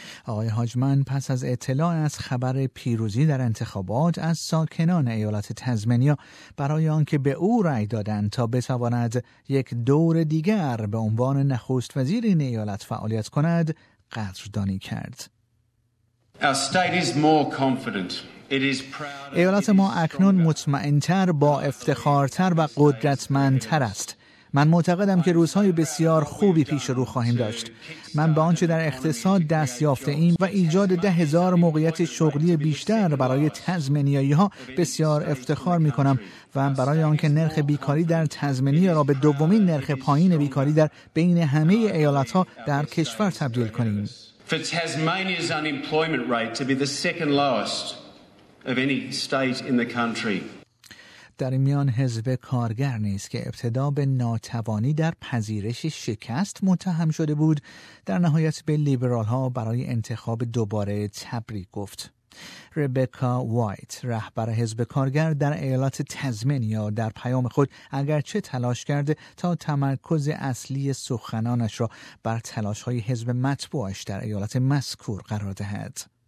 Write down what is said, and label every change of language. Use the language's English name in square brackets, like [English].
[Persian] آقای هاجمن پس از اطلاع از خبر پیروزی در انتخابات از ساکنان ایالت تزمانیا برای آنکه به او رأی دادند تا بتواند یک دور دیگر به عنوان نخست وزیر این ایالت فعالیت کند، قدردانی کرد. [English] Our state is more confident. [Persian] ایالت ما اکنون مطمئن‌تر، با افتخارتر و قدرتمندتر است. من معتقدم که روزهای بسیار خوبی پیش رو خواهیم داشت. من به آنچه در اقتصاد دست یافته ایم و ایجاد 10,000 موقعیت شغلی بیشتر برای تزمانیایی‌ها بسیار افتخار می‌کنم و برای آنکه نرخ بیکاری در تزمانیا را به دومین نرخ پایین بیکاری در بین همه ایالت‌ها در کشور تبدیل کنیم. [English] For Tasmania's unemployment rate to be the second lowest of any state in the country. [Persian] در میان حزب کارگر نیست که ابتدا به ناتوانی در پذیرش شکست متهم شده بود، در نهایت به لیبرال ها برای انتخاب دوباره تبریک گفت. ربکا وایت، رهبر حزب کارگر در ایالت تزمانیا، در پیام خود اگرچه تلاش کرده تا تمرکز اصلی سخنانش را بر تلاش های حزب مطبوعش در ایالت مذکور قرار دهد.